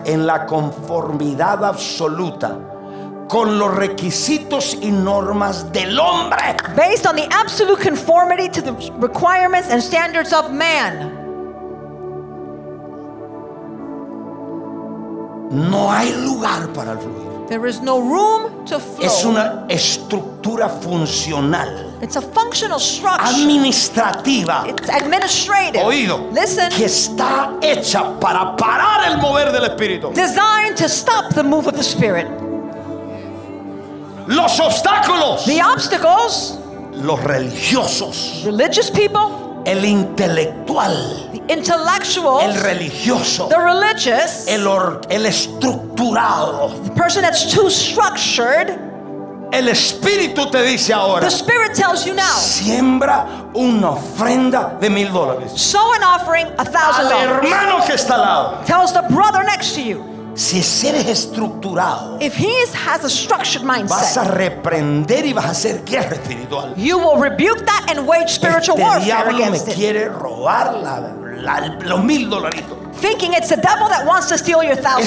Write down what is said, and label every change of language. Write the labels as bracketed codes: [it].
[es] Que se basa en la conformidad absoluta con los requisitos y normas del hombre. [en] Based on the absolute conformity to the requirements and standards of man. [es] No hay lugar para fluir. [en] There is no room to flow. [es] Es una estructura funcional. [en] It's a functional structure. [es] Administrativa. [en] It's administrative. [es] Oído. [en] Listen. [es] Que está hecha para parar el mover del Espíritu. [en] Designed to stop the move of the Spirit. [es] Los obstáculos. [en] The obstacles. [es] Los religiosos. [en] Religious people. [es] El intelectual. [en] The intellectuals. [es] El religioso. [en] The religious. [es] El estructurado. [en] The person that's too structured. [es] El Espíritu te dice ahora. [en] The Spirit tells you now. [es] Siembra una ofrenda de $1,000. [en] Sow an offering $1,000. [es] Al hermano que está al lado. [en] Tells the brother next to you. [es] Si eres estructurado, [en] if he has a structured mindset, [es] vas a reprender y vas a hacer guerra espiritual. [en] You will rebuke that and wage spiritual warfare against it. [es] Este diablo me quiere robar los $1,000. [en] Thinking it's the devil that wants to steal your $1,000.